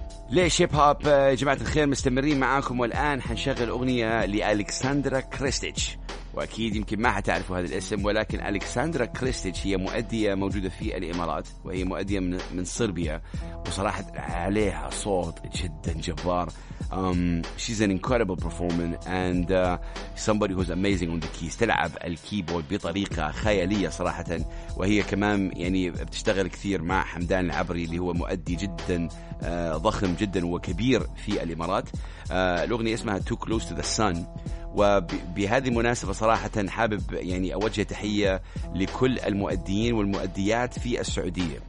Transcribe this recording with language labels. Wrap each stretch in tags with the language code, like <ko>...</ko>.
<ar>ليش هيب هوب جماعة الخير مستمرين معاكم، والآن حنشغل أغنية لألكسندرا كريستيتش، وأكيد يمكن ما حتعرفوا هذا الاسم، ولكن ألكسندرا كريستيتش هي مؤدية موجودة في الإمارات، وهي مؤدية من صربيا، وصراحة عليها صوت جدا جبار.</ar> <en>She's an incredible performer and somebody who's amazing on the keys.</en> <ar>تلعب الكيبورد بطريقة خيالية صراحة، وهي كمان يعني بتشتغل كثير مع حمدان العبري اللي هو مؤدي جدا ضخم جدا وكبير في الإمارات. الأغنية اسمها Too Close to the Sun، وبهذه المناسبة صراحة حابب يعني أوجه تحية لكل المؤديين والمؤديات في السعودية.</ar>